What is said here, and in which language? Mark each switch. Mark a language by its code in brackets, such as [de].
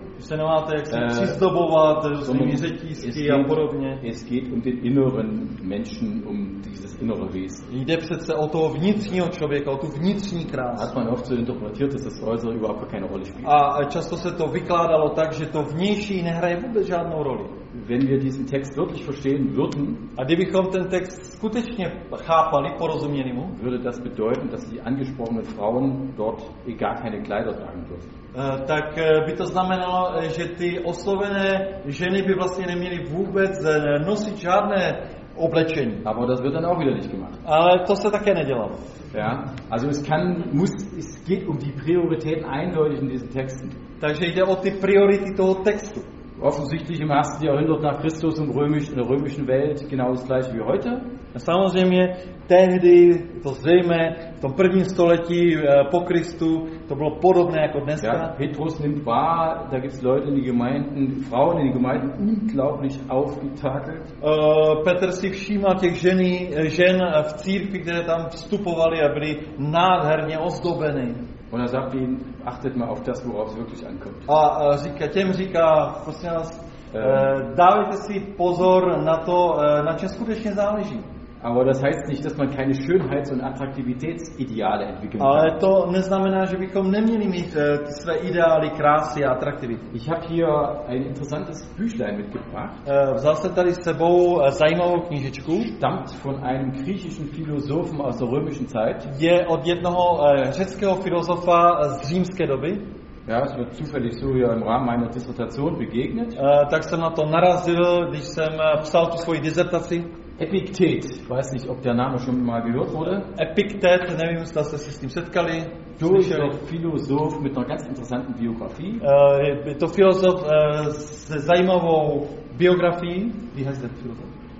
[cs] Když se nemáte, jak se přizdobovat, různými řetízky a podobně. [de] Es geht um den inneren Menschen, um dieses innere Wesen. [cs] Jde přece o toho vnitřního člověka, o tu vnitřní krásu. [de] Hat man oft so interpretiert, dass das äußere überhaupt keine Rolle spielt. [cs] A často se to vykládalo tak, že to vnější nehraje vůbec žádnou roli. [de] Wenn wir diesen Text wirklich verstehen würden, [cs] a kdybychom ten text skutečně chápali, porozuměli mu, [de] würde das bedeuten, dass die angesprochenen Frauen dort gar keine Kleider tragen dürfen. [cs] Tak by to znamenalo, že ty oslovené ženy by vlastně neměly vůbec nosit žádné oblečení. [de] Aber das wird dann auch wieder nicht gemacht. [cs] Ale to se také nedělalo. [de] Ja, also es geht um die Prioritäten eindeutig in diesen Texten. [cs] Takže jde o ty priority toho textu. [de] Offensichtlich im 1. Jahrhundert nach Christus im römischen, in der römischen Welt genau das gleiche wie heute. [cs] Samozřejmě tehdy, to zřejmě, v tom prvním století po Kristu, to bylo podobné jako dneska. [de] Ja, Petrus nimmt wahr, da gibt es Leute in die Gemeinden, Frauen in die Gemeinden, unglaublich aufgetakelt. [cs] Petr si všímal těch žen v církvi, které tam vstupovali a byly nádherně ozdobeny. [de] Und er sagt ihnen, achtet mal auf das, worauf es wirklich ankommt. [cs] A říká, těm říká, prosím vás, dávajte si pozor na to, na čem skutečně záleží. [de] Aber das heißt nicht, dass man keine Schönheits- und Attraktivitätsideale entwickeln kann. [cs] Ale to neznamená, že bychom neměli mít své ideály krásy a atraktivity. [de] Ich habe hier ein interessantes Büchlein mitgebracht. [cs] Vzal jsem tady s sebou zajímavou knížičku. [de] Stammt von einem griechischen Philosophen aus der römischen Zeit. [cs] Je od jednoho řeckého filozofa z římské doby. [de] Ja, es wird zufällig so hier im Rahmen meiner Dissertation begegnet. [cs] Tak jsem na to narazil, když jsem psal tu svoji disertaci. [de] Epiktet, ich weiß nicht, ob der Name schon mal gehört wurde. [cs] Epiktet, nevím, [de] dass das ist im [cs] Setkali. [de] Durch ein Philosoph mit einer ganz interessanten Biografie. [cs] To Philosoph se zajímavou biografií. [de] Wie heißt der Philosoph?